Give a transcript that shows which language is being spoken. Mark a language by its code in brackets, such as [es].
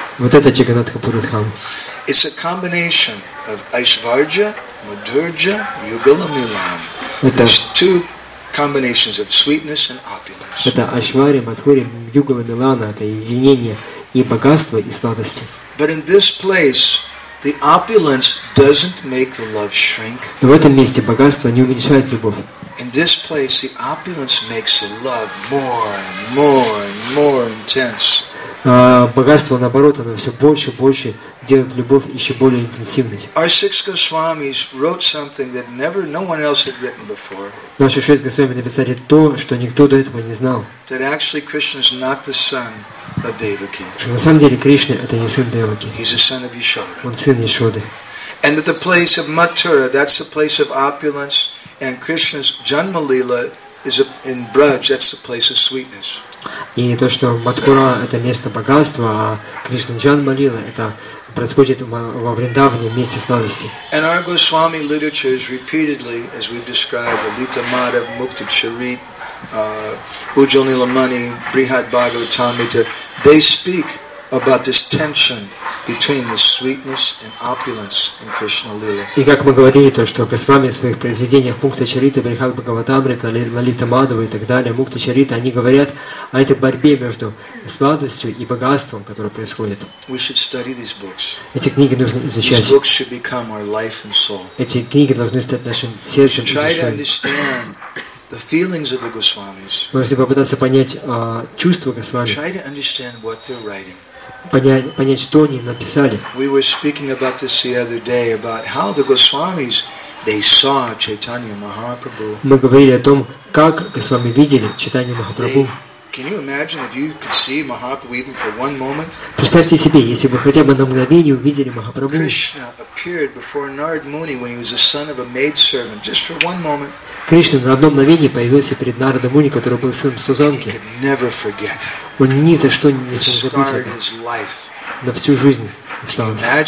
[ru] Вот это Джаганнатха Пури Дхам. [en] It's a combination of Aishvarja, Madhurja, Yugala Milan. There's two combinations of sweetness and opulence. [ru] Это Ашварья, Мадхурья, Югала, Милана, это единение и богатства, и сладости. [en] But in this place, the opulence doesn't make the love shrink. [ru] Но в этом месте богатство не уменьшает любовь. [en] In this place, the opulence makes the love more and more and more intense. [ru] Богатство, наоборот, оно все больше и больше делает любовь еще более интенсивной. [en] Our six Goswamis wrote something that never no one else had written before. [ru] Наши шесть Госвами написали то, что никто до этого не знал. [en] That actually Krishna is not the son of Devaki. [ru] Что на самом деле Кришна это не сын Деваки. [en] He's a son of Yashoda. [ru] Он сын Яшоды. [en] And that the place of Mathura, that's the place of opulence, and Krishna's Janmalila is in Braj, that's the place of sweetness. [ru] И то, что Матхура – это место богатства, а Кришна Джанмалила – это происходит во Вриндаване, месте сладости. [en] And our Goswami literature is repeatedly, as we've described, Lalita Madhava, Mukta Charit, Ujjal Nilamani, Brihad Bhagavatamrita, they speak about this tension between the sweetness and opulence in Krishna Lila. [ru] И как мы говорили, то, что Госвами в своих произведениях Мукта Чарита, Брихад Бхагаватамрита, Лалита Мадхава и так далее, Мукта Чарита, они говорят о этой борьбе между сладостью и богатством, которое происходит. [en] We should study these books. [ru] Эти книги нужно изучать. [en] These books should become our life and soul. [ru] Эти книги должны стать нашим сердцем и душой. [en] The feelings of the Goswamis. [ru] Вы должны попытаться понять чувства Госвами. [en] Try to understand what they're writing. [ru] Понять, что они написали. [en] We were speaking about this the other day about how the Goswamis they saw Chaitanya Mahaprabhu. [ru] Мы говорили о том, как Госвами видели Чайтанью Махапрабху. [en] Can you imagine if you could see Mahaprabhu even for one moment? [ru] Представьте себе, если бы хотя бы на мгновение увидели Махапрабху. [en] Krishna appeared before Narad Muni when he was the son of a maidservant, just for one moment. [ru] Кришна на одно мгновение появился перед Нарада Муни, который был сыном служанки. Он ни за что не смог забыть это. На всю жизнь осталось.